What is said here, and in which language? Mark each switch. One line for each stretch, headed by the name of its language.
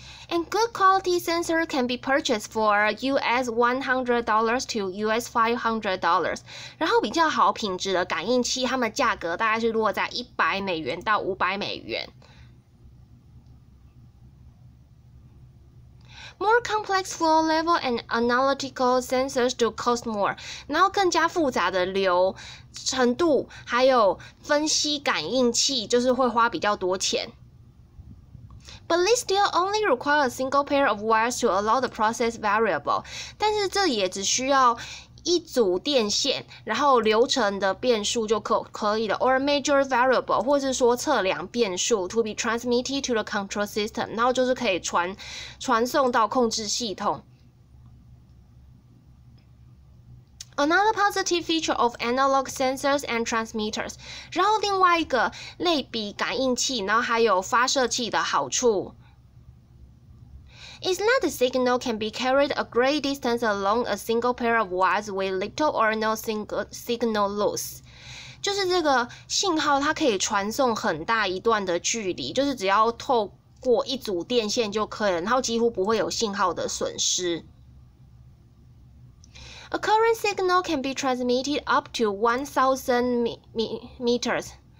English: And good quality sensor can be purchased for US$100 to US$500.
Chinese: 然后比较好品质的感应器，它们价格大概是落在$100到$500。
English: More complex flow level and analytical sensors do cost more.
Chinese: 然后更加复杂的流程度还有分析感应器就是会花比较多钱。
English: But they still only require a single pair of wires to allow the process variable.
Chinese: 但是这也只需要一组电线，然后流程的变数就可以了 ，
English: or a major variable，
Chinese: 或是说测量变数 ，
English: to be transmitted to the control system，
Chinese: 然后就是可以传送到控制系统。
English: Another positive feature of analog sensors and transmitters，
Chinese: 然后另外一个类比感应器，然后还有发射器的好处。
English: It's that the signal can be carried a great distance along a single pair of wires with little or no signal loss.
Chinese: 就是这个信号它可以传送很大一段的距离，就是只要透过一组电线就可以了，然后几乎不会有信号的损失。
English: A current signal can be transmitted up to 1,000 meters.